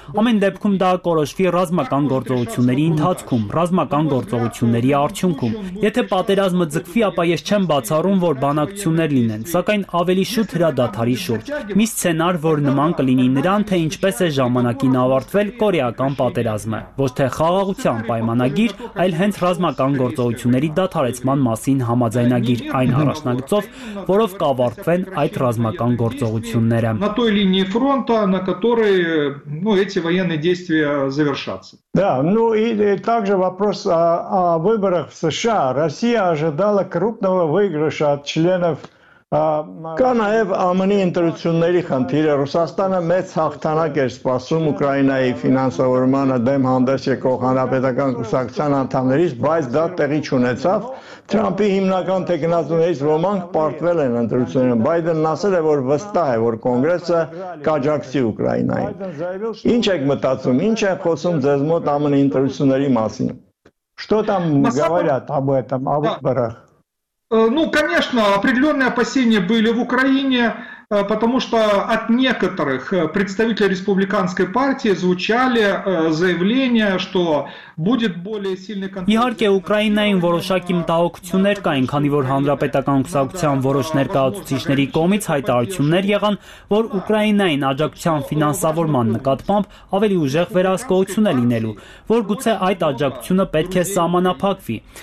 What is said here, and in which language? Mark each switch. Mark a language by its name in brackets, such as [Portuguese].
[Armenian] ամեն դեպքում դա կորոշվի ռազմական գործողությունների ընթացքում, ռազմական գործողությունների արդյունքում։ Եթե պատերազմը ձգվի, ապա ես չեմ բացառում, որ բանակցություններ լինեն, սակայն ավելի շուտ հրադադարի շուրջ։ Մի սցենար, որ նման կլինի նրան, թե ինչպես է ժամանակին ավարտվել կորեական պատերազմը, ոչ թե խաղաղության պայմանագիր, այլ հենց ռազմական գործողությունների դադարեցման մասին համաձայնագիր, այն առաջնագծով, որով կավարտվեն այդ ռազմական գործողությունները։ [Russian] На той линии фронта, на которой, ну, эти военные действия завершатся. Да, ну и также вопрос о выборах в США. Россия ожидала крупного выигрыша от членов [Armenian] Կանաև ԱՄՆ-ի ընտրությունների խնդիրը, Ռուսաստանը մեծ հաղթանակ էր սպասում Ուկրաինայի ֆինանսավորմանը դեմ հանդես եկող հանրապետական կուսակցության անդամներից, բայց դա տեղի չունեցավ։ Թրամփի հիմնական թեկնածուներից ոմանք պարտվել են ընտրությունները, Բայդենն ասել է, որ վստահ է, որ կոնգրեսը կաջակցի Ուկրաինային։ Ինչ եք մտածում, ինչ են խոսում ձեզ մոտ ԱՄՆ-ի ընտրությունների մասին? [Russian] Что там говорят об этом, о выборах? Ну, конечно, определенные опасения были в Украине, потому что от некоторых представителей республиканской партии звучали заявления, что будет более сильный контроль. [Armenian] Իհարկե, Ուկրաինային որոշակի մտահոգություններ կային, քանի որ հանրապետական կուսակցության որոշ ներկայացուցիչների կողմից հայտարարություններ եղան, որ Ուկրաինային աջակցության ֆինանսավորման նկատմամբ ավելի ուժեղ վերահսկողություն է լինելու, որ գուցե այդ աջակցությունը պետք է սահմանափակվի,